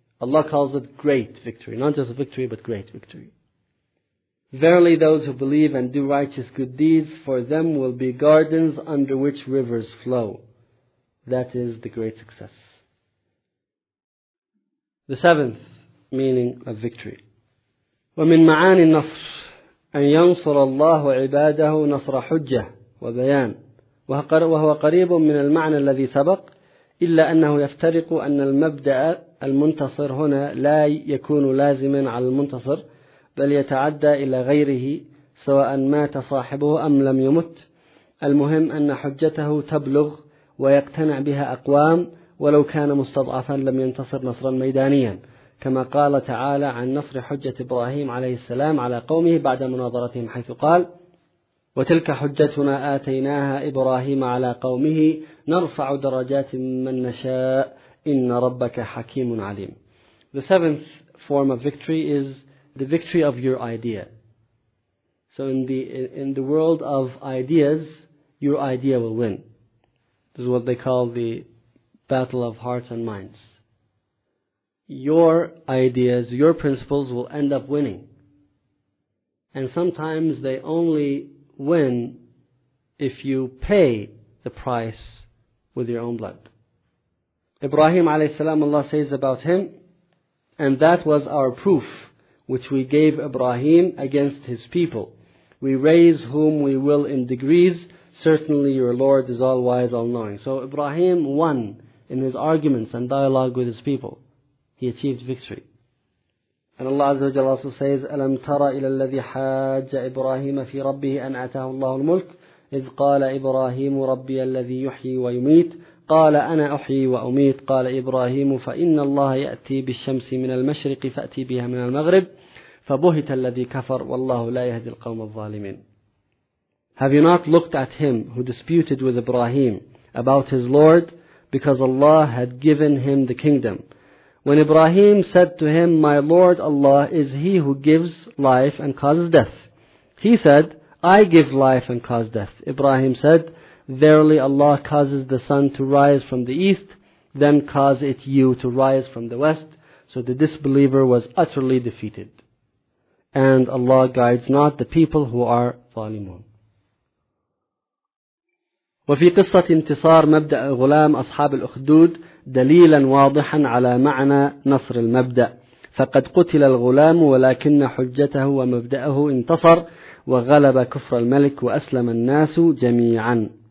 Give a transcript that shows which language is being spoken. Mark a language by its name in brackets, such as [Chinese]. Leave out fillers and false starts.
[English] Allah calls it great victory. Not just victory, but great victory. Verily those who believe and do righteous good deeds, for them will be gardens under which rivers flow. That is the great success. The seventh meaning of victory. [Arabic] وَمِن مَعَانِ النَّصْرِ أن ينصر الله عباده نصر حجة وبيان وهو قريب من المعنى الذي سبق إلا أنه يفترق أن المبدأ المنتصر هنا لا يكون لازما على المنتصر بل يتعدى إلى غيره سواء مات صاحبه أم لم يمت المهم أن حجته تبلغ ويقتنع بها أقوام ولو كان مستضعفا لم ينتصر نصرا ميدانيا كما قال تعالى عن نصر حجة إبراهيم عليه السلام على قومه بعد مناظرتهم حيث قال وتلك حجتنا آتيناها إبراهيم على قومه نرفع درجات من نشاء إن ربك حكيم عليم. [English] The seventh form of victory is the victory of your idea. So in the world of ideas, your idea will win. This is what they call the battle of hearts and minds. Your ideas, your principles will end up winning. And sometimes they only win if you pay the price with your own blood. Ibrahim alayhi salam, Allah says about him, and that was our proof which we gave Ibrahim against his people. We raise whom we will in degrees. Certainly your Lord is all wise, all knowing. So Ibrahim won in his arguments and dialogue with his people. He achieved victory. And Allah Azza wa Jalla also says, [Arabic] أَلَمْ تَرَ إِلَى الَّذِي حَاجَّ إِبْرَاهِيمَ فِي رَبِّهِ أَنْ أَتَاهُ اللَّهُ الْمُلْكُ إِذْ قَالَ إِبْرَاهِيمُ رَبِّيَ الَّذِي يُحْيِي وَيُمِيتُ قَالَ أَنَا أُحْيِي وَأُمِيتُ قَالَ إِبْرَاهِيمُ فَإِنَّ اللَّهَ يَأْتِي بِالشَّمْسِ مِنَ الْمَشْرِقِ فَأْتِي بِهَا مِنَ الْمَغْرِبِ فَبُهِتَ الَّذِي كَفَرَ وَاللَّهُ لَا يَهْدِي الْقَوْمَ الظَّالِمِينَ. [English] Have you not looked at him who disputed with Ibrahim about his Lord because Allah had given him the kingdom? When Ibrahim said to him, My Lord Allah is he who gives life and causes death. He said, I give life and cause death. Ibrahim said, Verily Allah causes the sun to rise from the east, then cause it you to rise from the west. So the disbeliever was utterly defeated. And Allah guides not the people who are zalimun. [Arabic] وفي قصة انتصار مبدأ غلام أصحاب الأخدود دليلا واضحا على معنى نصر المبدأ، فقد قتل الغلام ولكن حجته ومبدأه انتصر وغلب كفر الملك وأسلم الناس جميعا.